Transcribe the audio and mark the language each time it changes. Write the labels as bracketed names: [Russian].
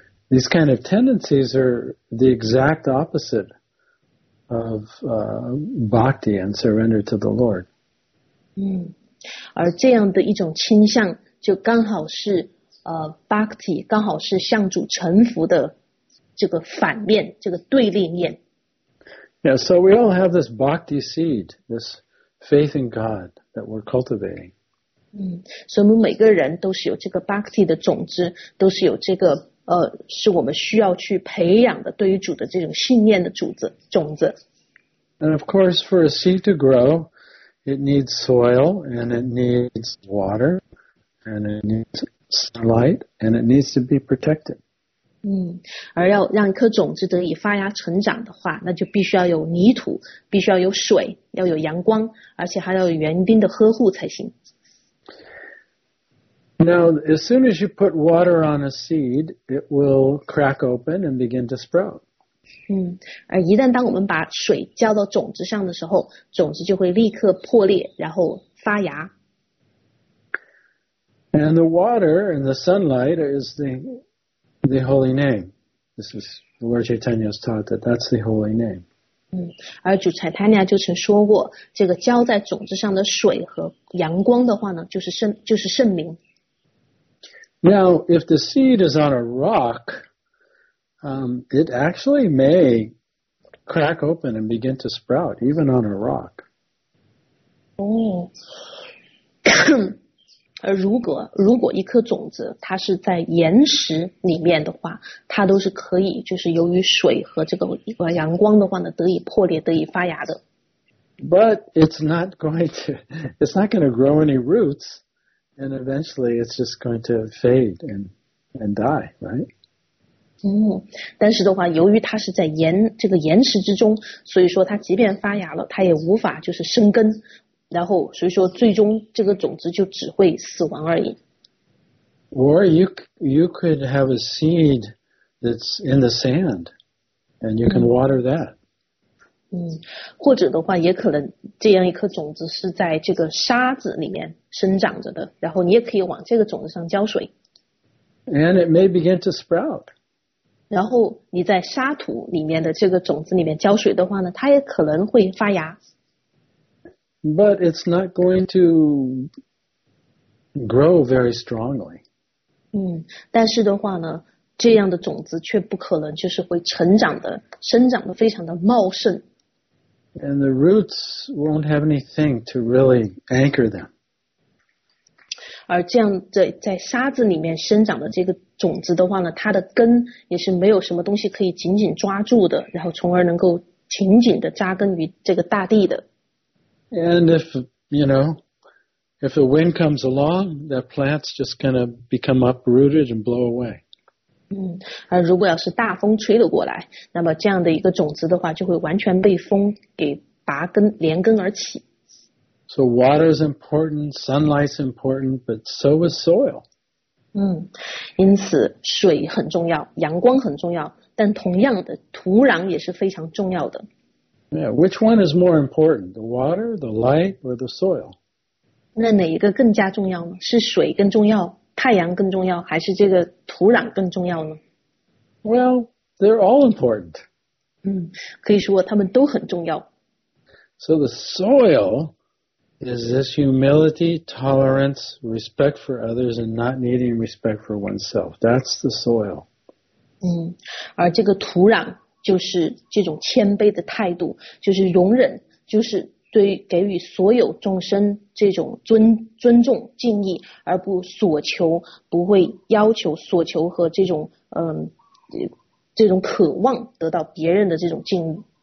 [English] These kind of tendencies are the exact opposite of bhakti and surrender to the Lord. [Chinese] 而这样的一种倾向就刚好是bhakti, 刚好是向主臣服的这个反面，这个对立面。 [English] Yeah, so we all have this bhakti seed, this faith in God that we're cultivating. [Chinese] 所以我们每个人都是有这个 bhakti 的种子，都是有这个是我们需要去培养的对于主的这种信念的种子。 [English] And of course, for a seed to grow, it needs soil, and it needs water, and it needs sunlight, and it needs to be protected. [Chinese] 而要让一颗种子得以发芽成长的话，那就必须要有泥土，必须要有水，要有阳光，而且还要有园丁的呵护才行。 [English] Now, as soon as you put water on a seed, it will crack open and begin to sprout. [Chinese] 而一旦当我们把水浇到种子上的时候，种子就会立刻破裂，然后发芽。 [English] And the water and the sunlight is the holy name. This is Lord Chaitanya's taught that that's the holy name. [Chinese] 而主 Chaitanya 就曾说过，这个浇在种子上的水和阳光的话呢，就是圣名。 [English] Now, if the seed is on a rock, it actually may crack open and begin to sprout, even on a rock. [Chinese] 而如果一颗种子它是在岩石里面的话，它都是可以就是由于水和这个阳光的话呢，得以破裂，得以发芽的。 [English] But it's not going to grow any roots. And eventually, it's just going to fade and die, right? [Chinese] 但是的话，由于它是在岩这个岩石之中，所以说它即便发芽了，它也无法就是生根，然后所以说最终这个种子就只会死亡而已。 [English] Or you could have a seed that's in the sand, and you can water that. [Chinese] 或者的话，也可能这样一颗种子是在这个沙子里面生长着的，然后你也可以往这个种子上浇水。 [English] And it may begin to sprout. [Chinese] 然后你在沙土里面的这个种子里面浇水的话呢，它也可能会发芽。 [English] But it's not going to grow very strongly. [Chinese] 但是的话呢，这样的种子却不可能就是会成长的，生长的非常的茂盛。 [English] And the roots won't have anything to really anchor them. [Chinese] 而这样在沙子里面生长的这个种子的话呢，它的根也是没有什么东西可以紧紧抓住的，然后从而能够紧紧的扎根于这个大地的。 [English] And if, you know, if the wind comes along, that plant's just going to become uprooted and blow away. [Chinese] 而如果要是大风吹了过来，那么这样的一个种子的话，就会完全被风给拔根，连根而起。 [English] So water is important, sunlight's important, but so is soil. [Chinese] 因此水很重要，阳光很重要，但同样的土壤也是非常重要的。 [English] Yeah, which one is more important, the water, the light, or the soil? [Chinese] 那哪一个更加重要呢？是水更重要，太阳更重要，还是这个土壤更重要呢？ [English] Well, they're all important. [Chinese] 可以说他们都很重要。 [English] So the soil is this humility, tolerance, respect for others, and not needing respect for oneself. That's the soil. [Chinese] 而这个土壤就是这种谦卑的态度，就是容忍，就是对给予所有众生这种尊重敬意，而不索求，不会要求索求和这种这种渴望得到别人的这种敬意。